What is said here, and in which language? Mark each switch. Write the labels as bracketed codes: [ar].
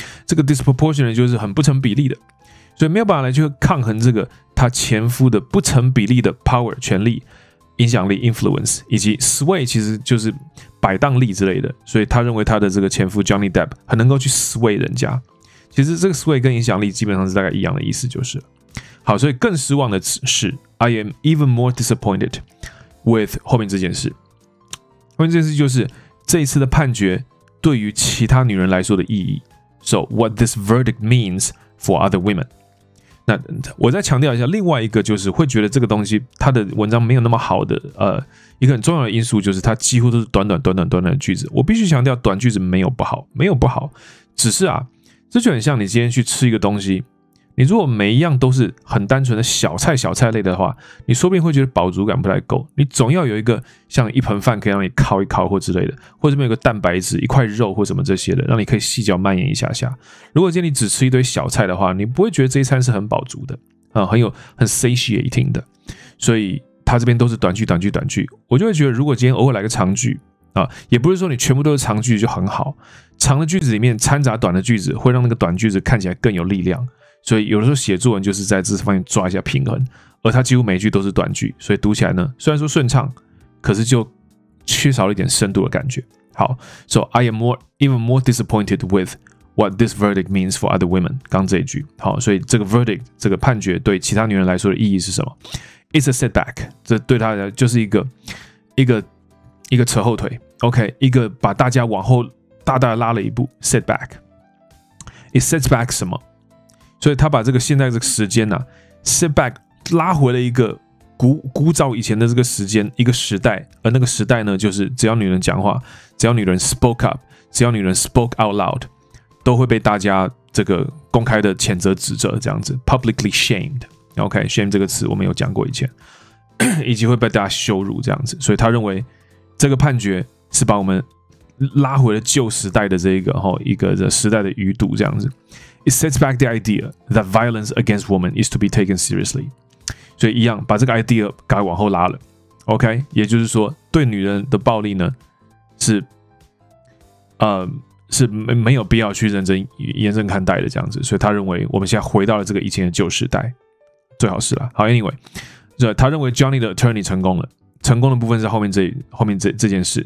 [zh] 这个 disproportionate 就是很不成比例的。所以没有办法来去抗衡这个他前夫的不成比例的 power， 权力、影响力 influence， 以及 sway 其实就是摆荡力之类的，所以他认为他的这个前夫 Johnny Depp 很能够去 sway 人家。其实这个 sway 跟影响力基本上是大概一样的意思，就是好。所以更失望的是 ， [en] I am even more disappointed with [zh] 后面这件事。后面这件事就是这一次的判决对于其他女人来说的意义。 [en] So what this verdict means for other women？ [zh] 那我再强调一下，另外一个就是会觉得这个东西他的文章没有那么好的一个很重要的因素就是他几乎都是短短的句子。我必须强调短句子没有不好，没有不好，只是啊，这就很像你今天去吃一个东西，你如果每一样都是很单纯的小菜类的话，你说不定会觉得饱足感不太够，你总要有一个像一盆饭可以让你烤一烤或之类的，或者有个蛋白质一块肉或什么这些的，让你可以细嚼慢咽一下下。如果今天你只吃一堆小菜的话，你不会觉得这一餐是很饱足的，很 satiating 的。所以他这边都是短句，我就会觉得如果今天偶尔来个长句也不是说你全部都是长句就很好，长的句子里面掺杂短的句子会让那个短句子看起来更有力量。所以有的时候写作文就是在这方面抓一下平衡，而他几乎每一句都是短句，所以读起来呢虽然说顺畅，可是就缺少了一点深度的感觉。好 [en] ，So I am even more disappointed with what this verdict means for other women. [zh] 刚这一句，好，所以这个 verdict 这个判决对其他女人来说的意义是什么 ？ [en] It's a setback. [zh] 这对她就是一个扯后腿。 OK， 一个把大家往后大大拉了一步 setback。 [en] It sets back [zh] 什么？所以她把这个现在这个时间呢、啊、setback 拉回了一个。古早以前的这个时间，一个时代，而那个时代呢，就是只要女人讲话，只要女人 [en] spoke up， [zh] 只要女人 [en] spoke out loud， [zh] 都会被大家这个公开的谴责、指责，这样子 [en] publicly shamed。 [zh] OK， shame 这个词我们有讲过以前，以及会被大家羞辱这样子。所以他认为这个判决是把我们拉回了旧时代的这一个哈一个的时代的余度这样子。 [en] It sets back the idea that violence against women is to be taken seriously. [zh] 所以一样，把这个 idea 改往后拉了 ，OK？也就是说，对女人的暴力呢，是没有必要去认真看待的这样子。所以他认为，我们现在回到了这个以前的旧时代，最好是了。好 ，Anyway， 他认为 Johnny 的 attorney 成功了，成功的部分是后面这件事。